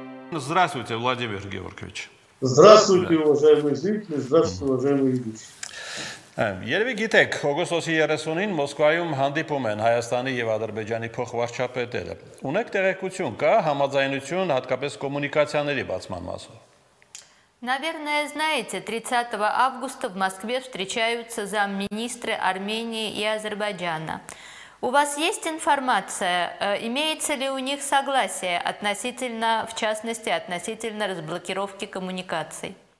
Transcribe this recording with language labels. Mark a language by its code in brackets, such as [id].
[ru] Здравствуйте, Владимир Георгиевич. Здравствуйте, уважаемые зрители, здравствуйте, уважаемые ведущие. [hy] Երևի գիտեք, օգոստոսի 30-ին Մոսկվայում հանդիպում են Հայաստանի և Ադրբեջանի փոխվարչապետերը։ Ունեք տեղեկություն, կա համաձայնություն հատկապես կոմունիկացիաների բացման մասով։ [ru] Наверное, знаете, 30 августа в Москве встречаются замминистры Армении и Азербайджана. У вас есть информация, имеется ли у них согласие относительно, в частности, относительно разблокировки коммуникаций?